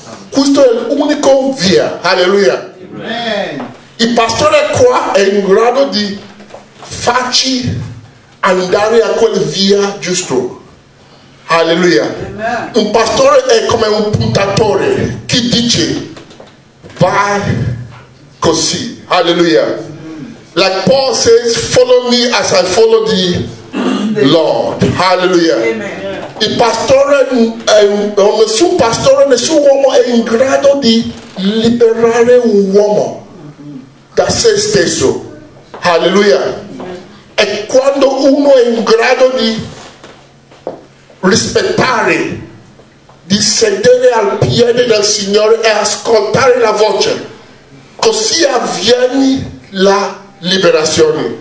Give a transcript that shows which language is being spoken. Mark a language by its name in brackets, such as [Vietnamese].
[Italian] Questo è l'unico via. Alleluia. Il pastore qua è in grado di farci andare a quel via giusto. Alleluia. Un pastore è come un puntatore che dice vai così. Alleluia. [English] Like Paul says, follow me as I follow the Lord. [Italian] Alleluia. Il pastore, nessun pastore, nessun uomo è in grado di liberare un uomo da se stesso. Alleluia. E quando uno è in grado di rispettare, di sedere al piede del Signore e ascoltare la voce, così avviene la liberazione.